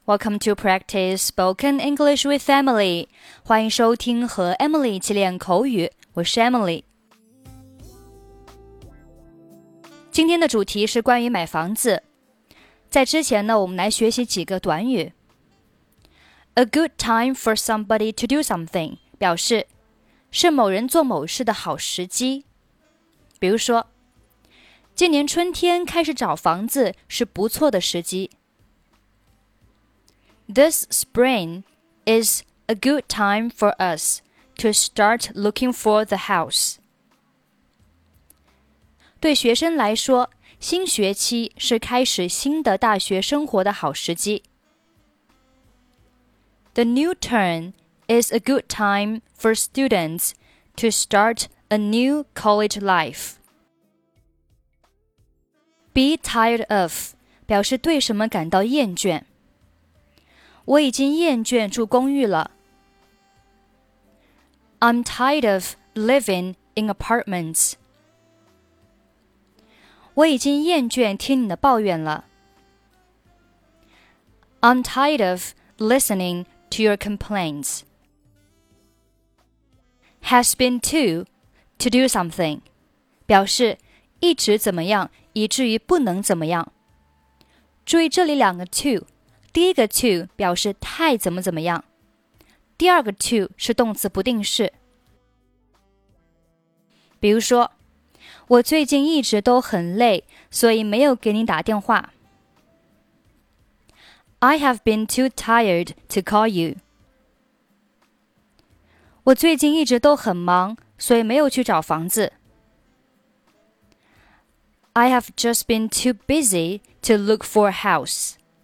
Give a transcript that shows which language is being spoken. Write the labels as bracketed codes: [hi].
[en] Welcome to Practice Spoken English with Emily. [zh] 欢迎收听和 Emily 一起练口语。我是 Emily。今天的主题是关于买房子。在之前呢，我们来学习几个短语。 [en] A good time for somebody to do something [zh] 表示是某人做某事的好时机。比如说，今年春天开始找房子是不错的时机。 [en] This spring is a good time for us to start looking for the house. [zh] 对学生来说，新学期是开始新的大学生活的好时机。 [en] The new term is a good time for students to start a new college life. Be tired of [zh] 表示对什么感到厌倦。我已经厌倦住公寓了。 [en] I'm tired of living in apartments. [zh] 我已经厌倦听你的抱怨了。 [en] I'm tired of listening to your complaints. Has been to do something. [zh] 表示一直怎么样，以至于不能怎么样。注意这里两个 to。第一个 to 表示太怎么怎么样，第二个 to 是动词不定式。比如说，我最近一直都很累，所以没有给你打电话。 [en] I have been too tired to call you. [zh] 我最近一直都很忙，所以没有去找房子。 [en] I have just been too busy to look for a house.